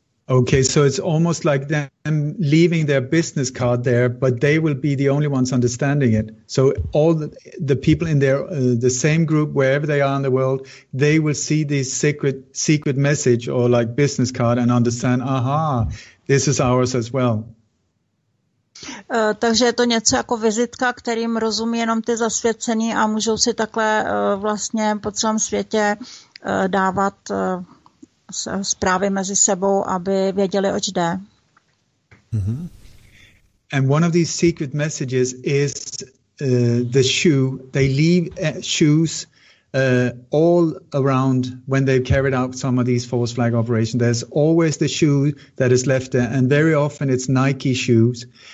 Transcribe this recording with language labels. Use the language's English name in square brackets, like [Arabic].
[English] Okay, so it's almost like them leaving their business card there, but they will be the only ones understanding it. So all the people in their the same group, wherever they are in the world, they will see this secret message or like business card and understand, aha, This is ours as well. [Czech] Takže je to něco jako vizitka, kterým rozumí jenom ty zasvěcení a můžou si takhle vlastně po celém světě dávat zprávy mezi sebou, aby věděli, oč jde. Mm-hmm. [English] And one of these secret messages is the shoe. They leave shoes all around when they've carried out some of these false flag operations. There's always the shoe that is left there, and very often it's Nike shoes.